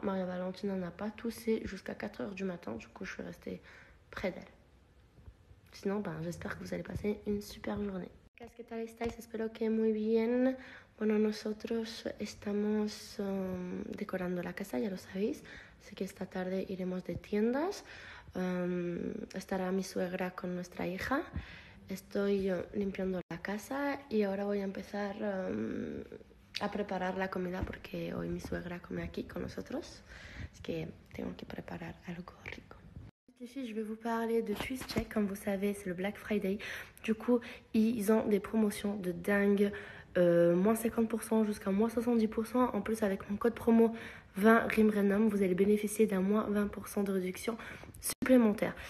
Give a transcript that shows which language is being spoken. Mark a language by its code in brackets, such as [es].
[fr] Maria-Valentine n'a pas toussé jusqu'à 4h du matin, du coup je suis restée près d'elle. Sinon, ben, j'espère que vous allez passer une super journée. Qu'est-ce que [es] tal estáis? Espero que muy bien. Bueno, nosotros estamos decorando la casa, ya lo sabéis. Así que esta tarde iremos de tiendas. Estará mi suegra con nuestra hija. Estoy limpiando la casa y ahora voy a empezar a preparar la comida porque hoy mi suegra come aquí con nosotros. Así que tengo que preparar algo rico. [fr] Je vais vous parler de Swiss Check. Comme vous savez, c'est le Black Friday. Du coup, ils ont des promotions de dingue. Moins 50% jusqu'à moins 70%. En plus, avec mon code promo 20RIMRENOM, vous allez bénéficier d'un moins 20% de réduction supplémentaire.